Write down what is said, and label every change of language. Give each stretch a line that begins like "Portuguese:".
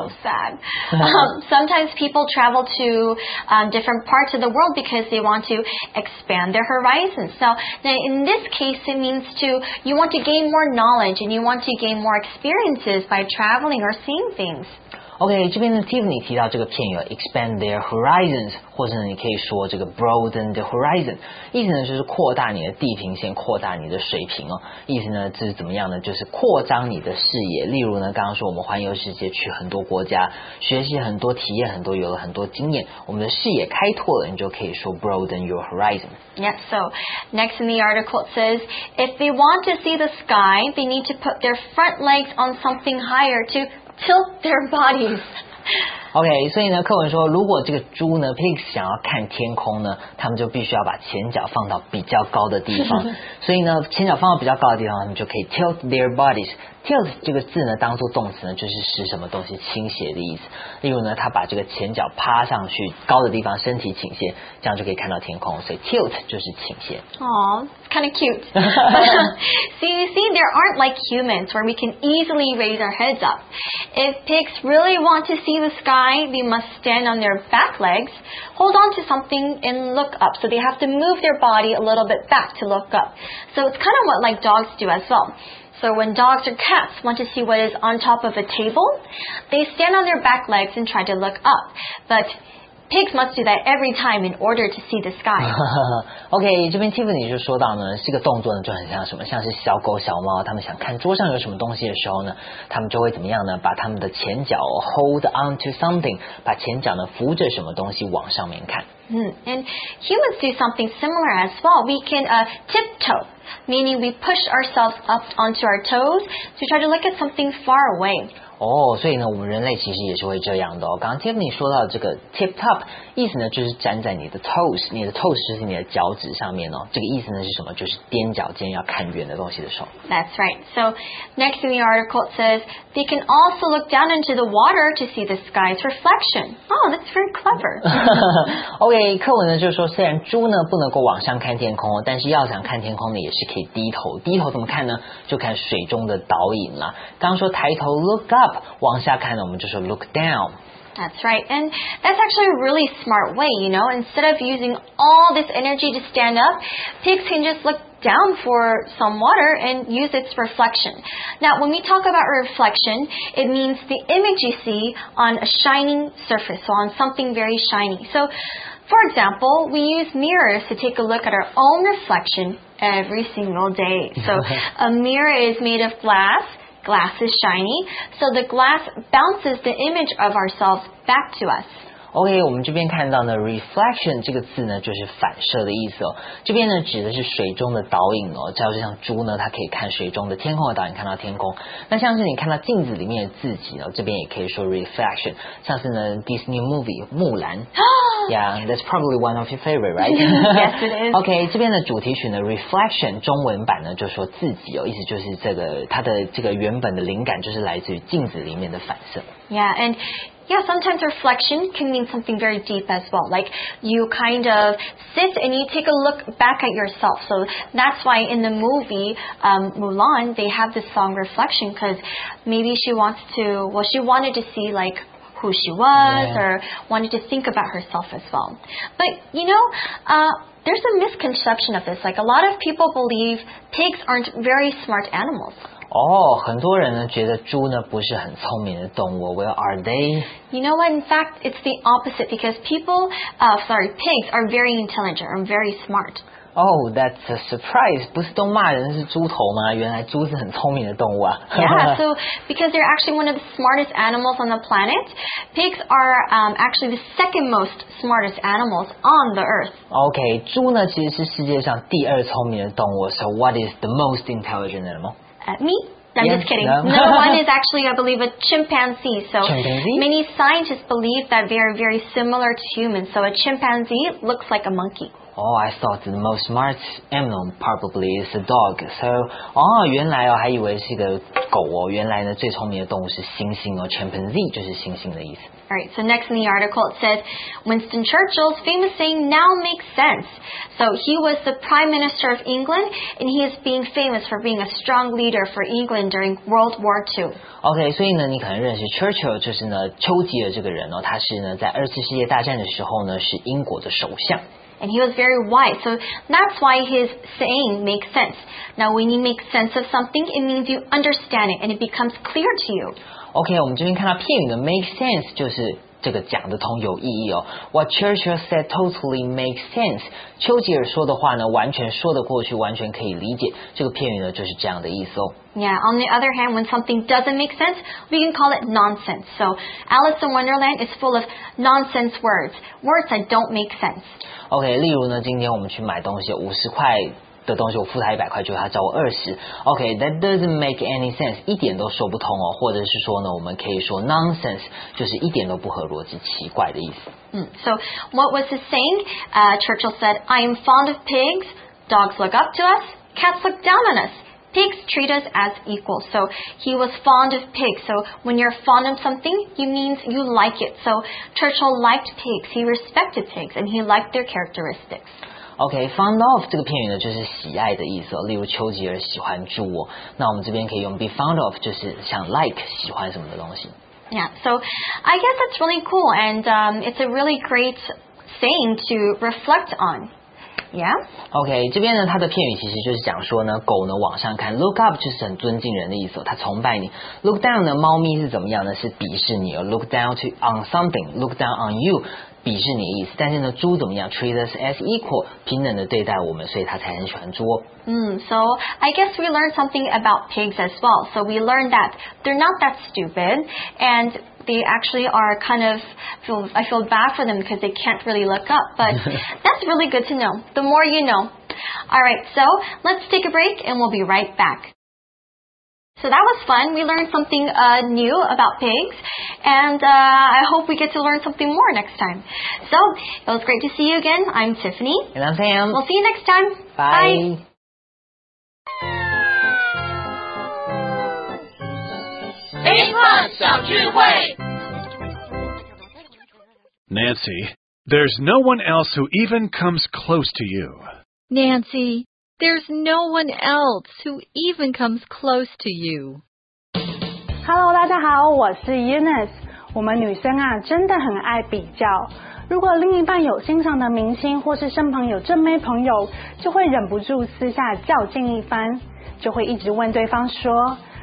English: So、sad. Sometimes people travel to different parts of the world because they want to expand their horizons. So now in this case, it means to you want to gain more knowledge and you want to gain more experiences by traveling or seeing things.
Chinese: Okay, 这边的 Tiffany 提到这个片语
English: expand their horizons，
Chinese: 或者你可以说这个
English: broaden the horizon，
Chinese: 意思呢就是扩大你的地平线，扩大你的水平哦。意思呢这是怎么样呢？就是扩张你的视野。例如呢，刚刚说我们环游世界，去很多国家，学习很多，体验很多，有了很多经验，我们的视野开拓了，你就可以说
English: broaden your horizon。 Yeah, so next in the article it says, if they want to see the sky, they need to put their front legs on something higher to tilt their bodies.
Chinese: OK, 所以呢，课文说，如果这个猪呢 ，pigs 想要看天空呢，他们就必须要把前脚放到比较高的地方。所以呢，前脚放到比较高的地方，他们就可以
English: tilt their bodies。
Chinese: Tilt 这个字呢，当做动词呢，就是使什么东西倾斜的意思。例如呢，他把这个前脚趴上去高的地方，身体倾斜，这样就可以看到天空。所以 tilt 就是倾斜。
English: Aww, it's kind of cute. See, you see, there aren't like humans where we can easily raise our heads up. If pigs really want to see the sky, they must stand on their back legs, hold on to something, and look up. So they have to move their body a little bit back to look up. So it's kind of what like dogs do as well. So when dogs or cats want to see what is on top of a table, they stand on their back legs and try to look up. But pigs must do that every time in order to see the sky.
Chinese: OK, 这边 Tiffany 就说到呢，这个动作呢就很像什么，像是小狗小猫，他们想看桌上有什么东西的时候呢，他们就会怎么样呢？把他们的前脚
English: hold onto something,
Chinese: 把前脚呢扶着什么东西往上面看。
English: And humans do something similar as well. We can tiptoe. meaning we push ourselves up onto our toes to try to look at something far away.
Chinese: 哦、oh, 所以呢我们人类其实也是会这样的哦。刚刚 Tiffany 说到这个
English: tip top,
Chinese: 意思呢就是站在你的 toes, 你的 toes 就是你的脚趾上面哦。这个意思呢是什么，就是踮脚尖要看远的东西的时候。
English: That's right. So, next in the article it says, they can also look down into the water to see the sky's reflection. Oh, that's very clever.
Chinese: OK, 课文呢就是说虽然猪呢不能够往上看天空，但是要想看天空呢也是可以低头。低头怎么看呢，就看水中的倒影啦。刚刚说抬头
English: look up,
Chinese: 往下看呢，我们就是
English: look down。 That's right, and that's actually a really smart way, you know. Instead of using all this energy to stand up, pigs can just look down for some water and use its reflection. Now, when we talk about reflection, it means the image you see on a shining surface, so on something very shiny. So, for example, we use mirrors to take a look at our own reflection every single day. So, a mirror is made of glass. Glass is shiny, so the glass bounces the image of ourselves back to us.
Chinese: OK, 我们这边看到呢 reflection 这个字呢就是反射的意思哦。这边呢指的是水中的倒影哦，就像猪呢它可以看水中的天空的倒影看到天空。那像是你看到镜子里面的自己哦，这边也可以说 reflection, 像是呢 Disney movie, 木兰。
English: Yeah, that's probably one of your favorite, right? Yes, it is.
Chinese: OK, 这边的主题曲呢 reflection, 中文版呢就说自己哦，意思就是这个它的这个原本的灵感就是来自于镜子里面的反射。
English: Yeah, andYeah, sometimes reflection can mean something very deep as well. Like, you kind of sit and you take a look back at yourself. So that's why in the movie, Mulan, they have this song Reflection, because maybe she wants to, well, she wanted to see, like, who she was, yeah. or wanted to think about herself as well. But, you know, there's a misconception of this. Like, a lot of people believe pigs aren't very smart animals.
Chinese: 哦、oh, 很多人呢觉得猪呢不是很聪明的动物。
English: Well, are they? You know what? In fact, it's the opposite because people, pigs are very intelligent and very smart. Oh, that's a surprise.
Chinese: 不是都骂人是猪头吗？原来猪是很聪明的动物啊。
English: Yeah, so because they're actually one of the smartest animals on the planet, pigs are, actually the second most smartest animals on the earth.
Chinese: Okay, 猪呢其实是世界上第二聪明的动物。
English: So what is the most intelligent animal? Me? I'm yes, just kidding. No. Number one is actually, I believe, a chimpanzee. So chimpanzee? Many scientists believe that they are very similar to humans. So a chimpanzee looks like a monkey. Oh, I thought the most smart animal probably is a dog.
Chinese: So, oh, 原来哦，还以为是一个狗哦。原来呢，最聪明的动物是猩猩哦。 Chimpanzee 就是猩猩的意思。
English: All right, so next in the article, it says, Winston Churchill's famous saying now makes sense. So he was the Prime Minister of England, and he is being famous for being a strong leader for England during World War II.
Chinese: OK, 所以呢你可能认识 Churchill, 就是呢丘吉尔这个人哦，他是呢在二次世界大战的时候呢是英国的首相。
English: And he was very wise, so that's why his saying makes sense. Now, when you make sense of something, it means you understand it, and it becomes clear to you.
Chinese: OK, 我们这边看到片语的
English: make sense
Chinese: 就是这个讲得通有意义哦。
English: What Churchill said totally makes sense.
Chinese: 丘吉尔说的话呢，完全说得过去，完全可以理解。这个片语呢，就是这样的意思哦。
English: Yeah, on the other hand, when something doesn't make sense, we can call it nonsense. So, Alice in Wonderland is full of nonsense words, words that don't make sense.
Chinese: OK, 例如呢，今天我们去买东西，50块的东西，我付他100块，就他找我20。
English: OK, that doesn't make any sense,
Chinese: 一点都说不通哦。或者是说呢，我们可以说 nonsense, 就是一点都不合逻辑，奇怪的意思。
English: So, what was he saying? Churchill said, I am fond of pigs, dogs look up to us, cats look down on us. Pigs treat us as equals. So he was fond of pigs. So when you're fond of something, it means you like it. So Churchill liked pigs. He respected pigs and he liked their characteristics.
Chinese: OK,
English: fond of
Chinese: 这个片语呢就是喜爱的意思、哦、例如丘吉尔喜欢猪、哦、那我们这边可以用
English: be fond of
Chinese: 就是想 like 喜欢什么的东西。
English: Yeah, so I guess that's really cool and it's a really great saying to reflect on. Yeah.
Chinese: OK, 这边呢它的片语其实就是讲说呢狗呢往上看
English: look up
Chinese: 就是很尊敬人的意思它崇拜你
English: look down 呢猫咪是怎么样呢是鄙视你 look down to on something look down on you
Chinese: 鄙视你的意思但是呢猪怎么样
English: treat us as equal
Chinese: 平等的对待我们所以它才很喜欢猪、哦
English: So I guess we learned something about pigs as well. So we learned that they're not that stupid andThey actually are kind of, I feel bad for them because they can't really look up, but that's really good to know. The more you know. All right, so let's take a break and we'll be right back. So that was fun. We learned something new about pigs. And I hope we get to learn something more next time. So it was great to see you again. I'm Tiffany. And I'm Sam. We'll see you next time. Bye. Bye. Nancy, there's no one else who even comes close to you. Nancy, there's no one else who even comes close to you.
Chinese: Hello, 大家好，我是 Eunice。我们女生啊，真的很爱比较。如果另一半有欣赏的明星，或是身旁有正妹朋友，就会忍不住私下较劲一番，就会一直问对方说。